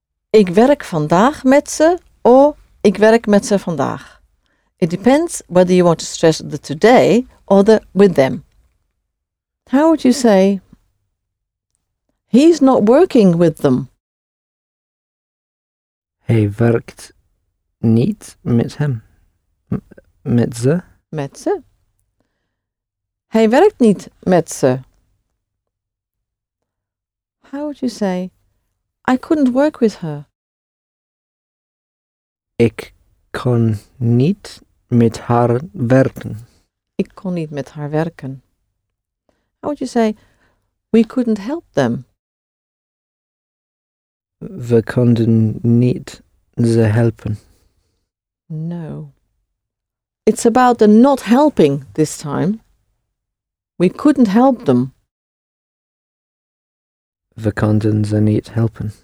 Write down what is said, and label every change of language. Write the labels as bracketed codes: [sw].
[nl] Ik werk vandaag met ze, or ik werk met ze vandaag. [en] It depends whether you want to stress the today or the with them. How would you say, he's not working with them? [nl] Hij werkt niet met hem. Met ze. Met ze. Hij werkt niet met ze. [en] How would you say, I couldn't work with her? [nl] Ik kon niet met haar werken. Ik kon niet met haar werken. [en] How would you say, we couldn't help them? [nl] We konden niet ze helpen. [en] No. It's about the not helping this time. We couldn't help them. [nl] We konden ze niet helpen.